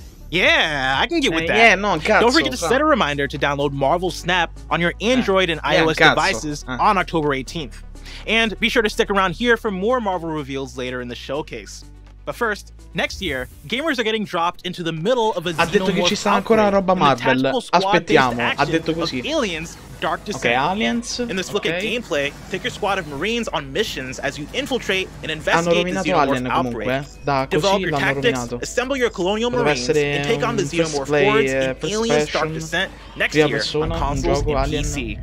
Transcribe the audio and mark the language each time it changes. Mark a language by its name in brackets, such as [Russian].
[English] Yeah, I can get with that. Yeah, no, cazzo. Don't forget to set a reminder to download Marvel Snap on your Android and iOS devices on October 18th. And be sure to stick around here for more Marvel reveals later in the showcase. But first, next year, gamers are getting dropped into the middle of a Xenomorph. [Italian] Ha detto che ci sta ancora roba Marvel. Aspettiamo. Ha detto così. [English] Aliens, Dark Descent. Okay, aliens. In this look at gameplay, take your squad of Marines on missions as you infiltrate and investigate the Xenomorph outbreak. [Italian] Hanno rovinato Alien comunque. Da così [English] develop your tactics, assemble your colonial Marines, and take on the Xenomorph hordes in Aliens, Dark Descent next year on consoles and PC.